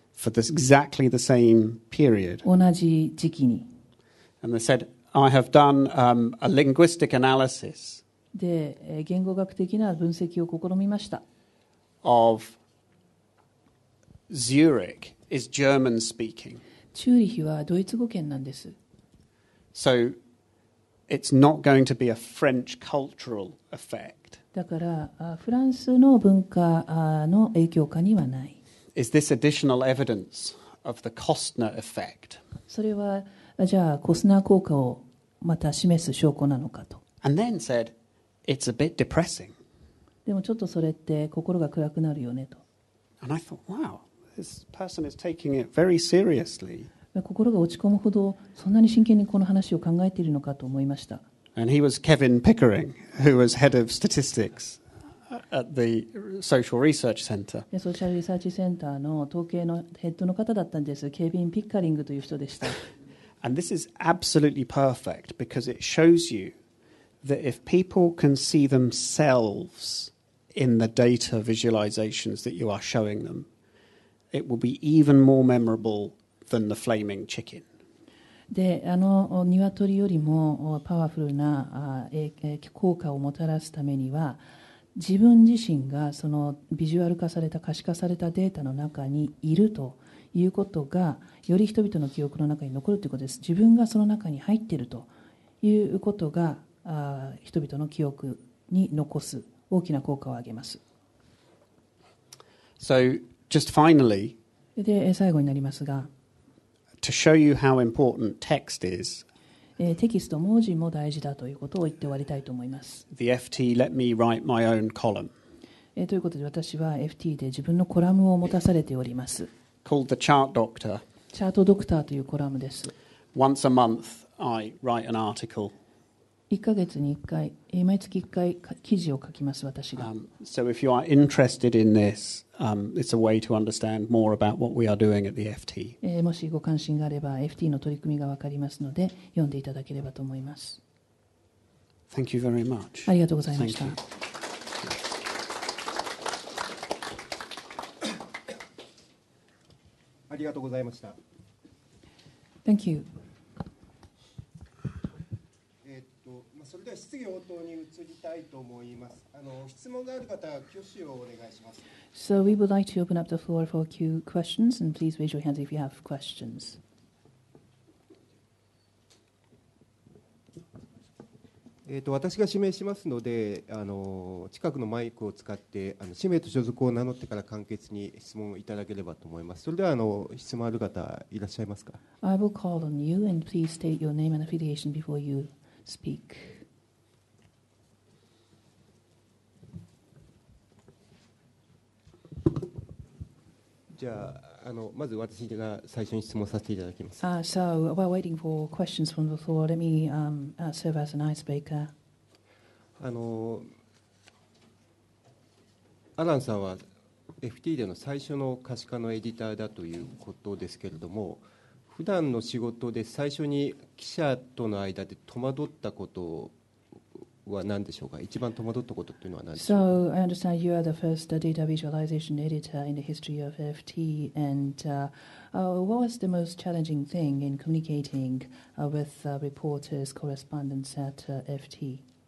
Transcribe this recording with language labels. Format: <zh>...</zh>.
<en>For this exactly the same period.</en> <ja>同じ時期に。</ja> <en>And they said, I have done a linguistic analysis.</en> <ja>で、言語学的な分析を試みました。</ja> <en>Of Zurich is German speaking.</en> <ja>チューリヒはドイツ語圏なんです。</ja> <en>So it's not going to be a French cultural effect.</en> <ja>だからフランスの文化の影響下にはない。</ja> <en>Is this additional evidence of the Costner effect?</en> <ja>それはじゃあコスナー効果をまた示す証拠なのかと。</ja> <en>And then said, it's a bit depressing.</en> <ja>でもちょっとそれって心が暗くなるよねと。</ja> <en>And I thought, wow, this person is taking it very seriously.</en> <ja>心が落ち込むほどそんなに真剣にこの話を考えているのかと思いました。</ja> <en>And he was Kevin Pickering, who was head of statistics at the Social Research Center.</en> <ja>ソーシャルリサーチセンターの統計のヘッドの方だったんです。ケビン・ピッカリングという人でした。</ja> <en>And this is absolutely perfect because it shows you that if people can see themselves in the data visualizations that you are showing them, it will be even more memorable than the flaming chicken.</en> <ja>で、あの鶏よりもパワフルな効果をもたらすためには、自分自身がそのビジュアル化された可視化されたデータの中にいるということが、より人々の記憶の中に残るということです。自分がその中に入っているということが、人々の記憶に残す大きな効果を上げます。</ja> <en>So, just finally,</en> <ja>で、最後になりますが、</ja> <en>To show you how important text is,</en> <ja>テキスト文字も大事だということを言って終わりたいと思います。</ja> <en>The FT let me write my own column.</en> <ja>ということで私は FT で自分のコラムを持たされております。</ja> <en>Called the Chart Doctor.</en> <ja>チャートドクターというコラムです。</ja> <en>Once a month, I write an article.</en> <ja>1ヶ月に1回、毎月1回記事を書きます私が。</ja> <en>So if you are interested in this. It's a way to understand more about what we are doing at the FT.</en> <ja>もしご関心があれば FT の取り組みがわかりますので読んでいただければと思います。</ja> <en>Thank you very much.</en> <ja>ありがとうございました。ありがとうございました。</ja> <en>Thank you.</en> <ja>それでは質疑応答に移りたいと思います。質問がある方は挙手をお願いします。</ja> <en>So we would like to open up the floor for a few questions, and please raise your hands if you have questions. I will introduce myself, so please use the mic to introduce yourself and answer your question briefly. Are there any questions? If there are any questions, I will call on you, and please state your name and affiliation before you speak.</en> <ja>じゃあ、まず私が最初に質問させていただきます。</ja> <en>So, while waiting for questions from the floor, let me, serve as an icebreaker.</en> <ja>アランさんは FT での最初の可視化のエディターだということですけれども、普段の仕事で最初に記者との間で戸惑ったことを</ja> <en>So, I understand you are the first data visualization editor in the history of FT. And what was the most challenging thing in communicating with reporters, correspondents at FT?</en>